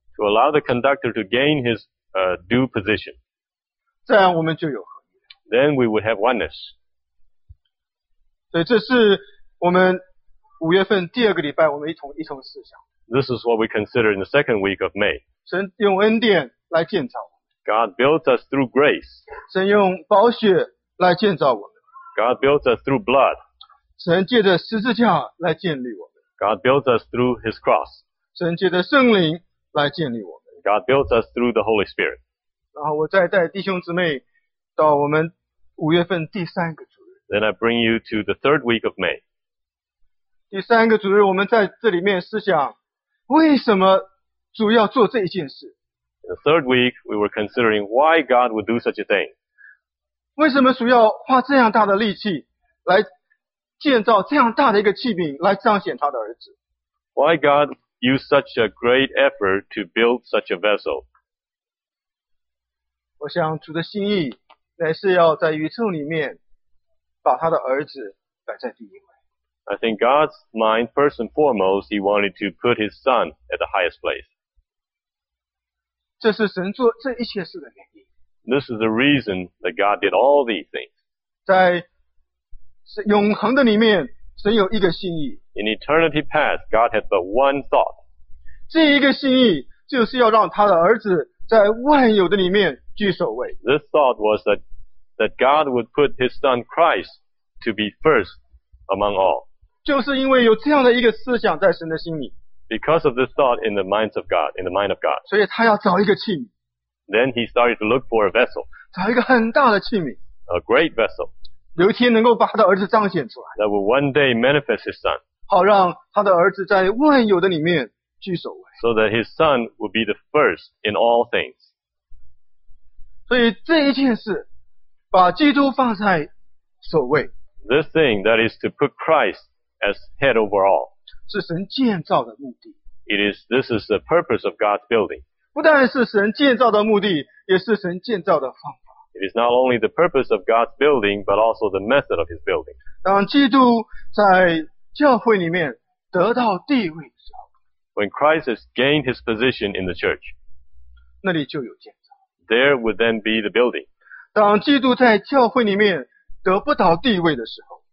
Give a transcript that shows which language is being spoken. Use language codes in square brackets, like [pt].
[en] To allow the conductor to gain his due position. [zh] 这样我们就有合一。 [en] Then we would have oneness. [zh] 所以这是我们五月份第二个礼拜我们一同思想。 [en] This is what we consider in the second week of May. [zh] 神用恩典来建造我们。 [en] God built us through grace. [zh] 神用宝血来建造我们。 [en] God built us through blood. [zh] 神借着十字架来建立我们。 [en] God built us through his cross. [zh] 神借着圣灵来建立我们。 [en] God built us through the Holy Spirit. [zh] 然后我再带弟兄姊妹到我们五月份第三个主日。 [en] Then I bring you to the third week of May. [zh] 第三个主日我们在这里面思想为什么主要做这一件事。 [en] In the third week, we were considering why God would do such a thing. [zh] 为什么主要花这样大的力气来建造这样大的一个器皿来彰显他的儿子。 [en] Why God use such a great effort to build such a vessel. [zh] 我想主的心意乃是要在宇宙里面把他的儿子摆在第一位。 [en] I think God's mind, first and foremost, he wanted to put his son at the highest place. [zh] 这是神做这一切事的原因。 [en] This is the reason that God did all these things. [zh] 在永恒的里面神有一个心意。 [en] In eternity past, God had but one thought. [zh] 这一个心意就是要让他的儿子在万有的里面居首位。 [en] This thought was that God would put his son Christ to be first among all. [zh] 就是因为有这样的一个思想在神的心里。 [en] Because of this thought in the minds of God, in the mind of God. [zh] 所以他要找一个器皿。 [en] Then he started to look for a vessel. [zh] 找一个很大的器皿。 [en] A great vessel. [zh] 有一天能够把他的儿子彰显出来。 [en] That will one day manifest his son. [zh] 好让他的儿子在万有的里面居首位。 [en] So that his son will be the first in all things. [zh] 所以这一件事把基督放在首位。 [en] This thing that is to put Christ as head over all. [zh] 是神建造的目的。 [en] This is the purpose of God's building. [zh] 不但是神建造的目的也是神建造的方法。 [en] It is not only the purpose of God's building, but also the method of his building. [zh] 当基督在教会里面得到地位的时候， [en] When Christ has gained his position in the church, [zh] 那里就有建造。 [en] There would then be the building. [zh] 当基督在教会里面得不到地位的时候，